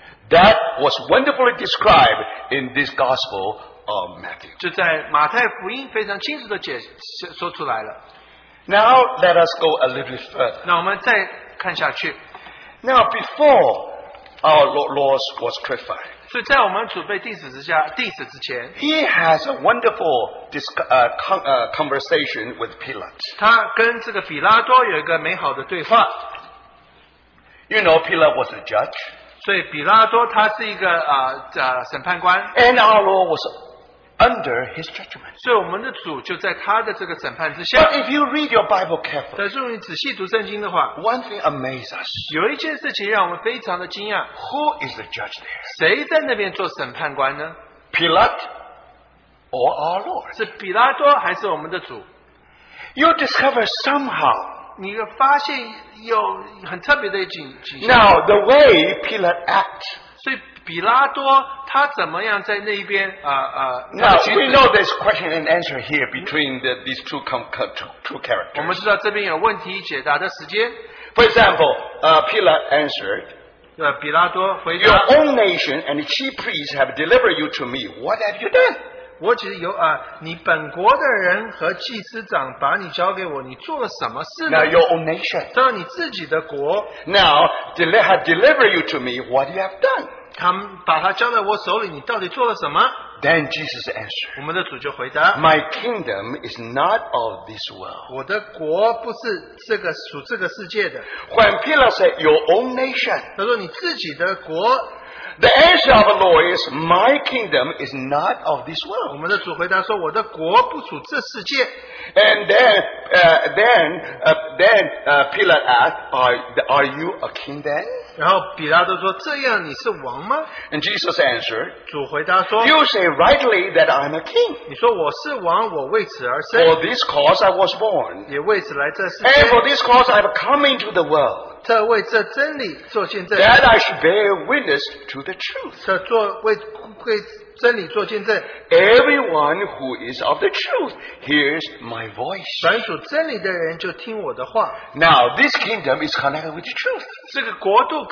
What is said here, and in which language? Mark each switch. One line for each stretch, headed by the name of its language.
English: That was wonderfully described in this gospel of Matthew.
Chinese: 就在马太福音非常清楚地解说出来了。
English: Now let us go a little bit further.
Chinese: 那我们再看下去。
English: Now before our Lord was crucified,
Chinese: 所以在我们准备钉死之前,
English: he has a wonderful conversation with Pilate.
Chinese: 他跟这个比拉多有一个美好的对话。
English: You know, Pilate was a judge.
Chinese: 所以比拉多他是一个, 审判官。
English: And our Lord was under his judgment.
Chinese: 所以我们的主就在他的这个审判之下。
English: But if you read your Bible carefully,
Chinese: 但是如果你仔细读圣经的话,
English: one thing amazes us.
Chinese: 有一件事情让我们非常的惊讶。
English: Who is the judge there?
Chinese: 谁在那边做审判官呢?
English: Pilate or our Lord?
Chinese: 是比拉多还是我们的主?
English: You discover somehow,
Chinese: 你发现有很特别的景象。
English: Now, the way Pilate acts,
Chinese: 比拉多他怎么样在那边,
English: now, we know there's question and answer here between these two characters.
Chinese: 我们知道这边有问题解答的时间。
English: For example, Pilate answered,
Chinese: 比拉多回答,
English: your own nation and the chief priests have delivered you to me. What have you done?
Chinese: 我只有, 你本国的人和祭司长把你交给我, 你做了什么事呢?
English: Now, your own nation,
Chinese: 到你自己的国,
English: now, they have delivered you to me. What you have done?
Chinese: 他们把他交在我手里,
English: then Jesus answered,
Chinese: 我们的主就回答,
English: my kingdom is not of this world.
Chinese: 我的国不是这个,
English: when Pilate said, your own nation,
Chinese: 他说你自己的国,
English: the answer of the Lord is, my kingdom is not of this world.
Chinese: 我们的主回答说,
English: and then Pilate asked, are you a king then?
Chinese: 然后比拉多说, 这样你是王吗?
English: And Jesus answered,
Chinese: 主回答说,
English: you say rightly that I'm a king.
Chinese: 你说我是王,
English: for this cause I was born.
Chinese: 也为此来这世间,
English: and for this cause I have come into the world.
Chinese: 这为这真理做见证,
English: that I should bear witness to the truth.
Chinese: 这做为真理做见证,
English: everyone who is of the truth hears my voice.
Chinese: 凡属真理的人就听我的话。
English: Now this kingdom is connected with the truth.